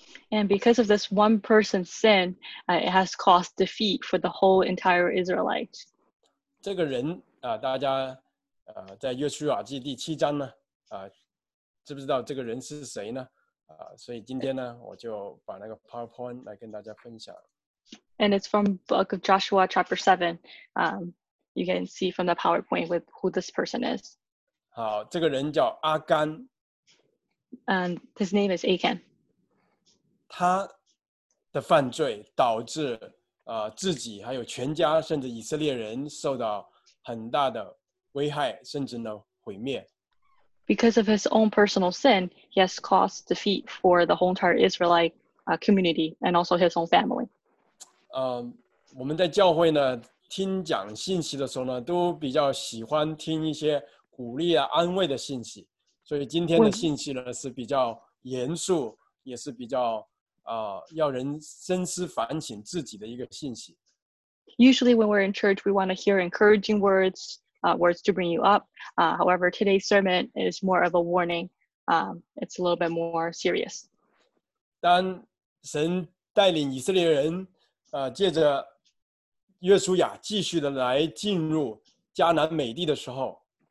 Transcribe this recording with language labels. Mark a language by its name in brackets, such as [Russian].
[English] And because of this one person's sin, it has caused defeat for the whole entire Israelite. [Chinese] 这个人大家在约书亚记第七章呢知不知道这个人是谁呢所以今天呢我就把那个 PowerPoint 来跟大家分享。 [English] And it's from Book of Joshua chapter 7. You can see from the PowerPoint with who this person is. [Chinese] 好，这个人叫阿甘。 [English] And his name is Achan. [Chinese] 他的犯罪导致自己还有全家甚至以色列人受到很大的危害甚至呢毁灭。 [English] Because of his own personal sin, he has caused defeat for the whole entire Israelite community and also his own family. [Chinese] 我们在教会呢听讲信息的时候呢，都比较喜欢听一些鼓励啊、安慰的信息。所以今天的信息呢是比较严肃，也是比较要人深思反省自己的一个信息。 [English] Usually when we're in church, we want to hear encouraging words. Words to bring you up. However, today's sermon is more of a warning. It's a little bit more serious. [Chinese] 当神带领以色列人，借着约书亚继续的来进入迦南美地的时候